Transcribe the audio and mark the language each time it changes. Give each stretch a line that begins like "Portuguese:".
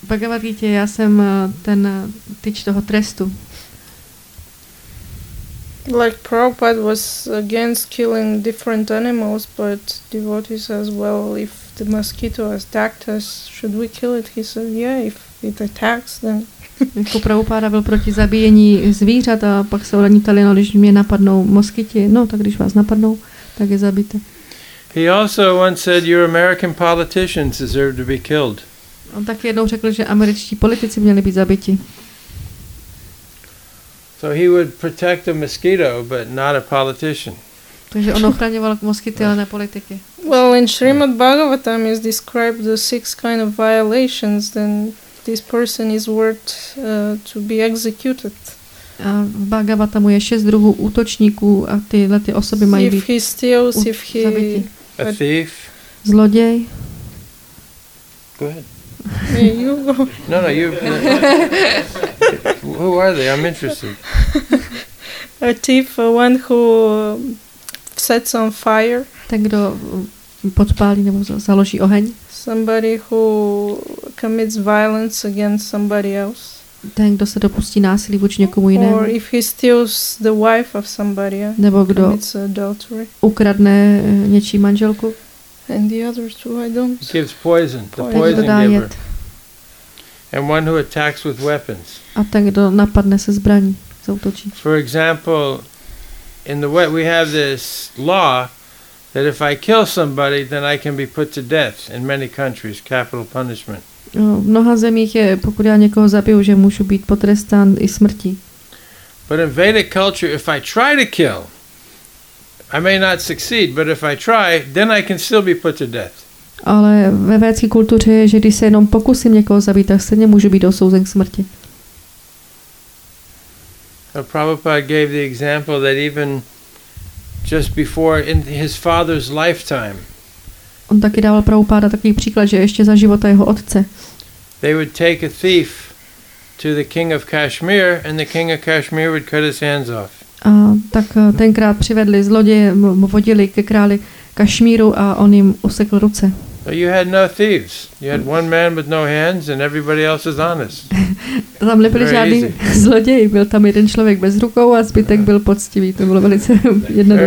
Czech: Bhagavad Gita, já jsem ten tyč toho trestu.
English: Like Prabhupada was against killing different animals, but devotee says, well, if the mosquito has attacked us, should we kill it? He said, yeah, if it attacks, then...
Czech: Jako Prabhupada byl proti zabíjení zvířat a pak se ohledně ptali, no, když mě napadnou moskyti, no, tak když vás napadnou, tak je zabijte.
English: He also once said, your American politicians deserve to be killed.
Czech: On tak jednou řekl, že američtí politici měli být zabiti.
English: So he would protect a mosquito, but not a politician.
Czech: Takže on ochraňoval moskyty, ale ne politiky.
English: Well, in Srimad Bhagavatam is described the six kind of violations, then this person is worth to be executed.
Czech: A v Bhagavatamu je šest druhů útočníků a tyhle ty osoby mají být zabity.
English: A thief.
Czech: Zloděj.
English: Go ahead. Yeah, you go. No, you. Who are they? I'm interested. A thief, one who sets on fire.
Czech: Ten, kdo podpálí nebo založí oheň.
English: Somebody who commits violence against somebody else.
Czech: Ten, kdo se dopustí násilí vůči někomu jinému.
English: Or if he steals the wife of somebody.
Czech: Nebo kdo ukradne něčí manželku.
English: And the other two, I don't. He gives poison. The poison giver. And one who attacks with weapons.
Czech: A ten, kdo napadne se zbraní, zaútočí.
English: For example, in the way we have this law that if I kill somebody, then I can be put to death in many countries, capital punishment.
Czech: V mnoha zemích je, pokud já někoho zabiju, že můžu být potrestán i smrtí.
English: But in Vedic culture, if I try to kill, I may not succeed, but if I try, then I can still be put to death.
Czech: Ale ve védské kultuře je, že když se jenom pokusím někoho zabít, tak stejně můžu být osouzen k smrti.
English: A Prabhupada gave the example that even just before in his father's lifetime.
Czech: On taky dával Prabhupada takový příklad, že ještě za života jeho otce.
English: They would take a thief to the king of Kashmir and the king of Kashmir would cut his hands off.
Czech: A tak tenkrát přivedli zloděje, vodili ke králi Kašmíru a on jim usekl ruce.
English: You had no thieves. You had one man with no hands and everybody else is honest.
Czech: Tam nebyli žádný zloději, byl tam jeden člověk bez rukou a zbytek byl poctivý. To bylo velice jednoduché.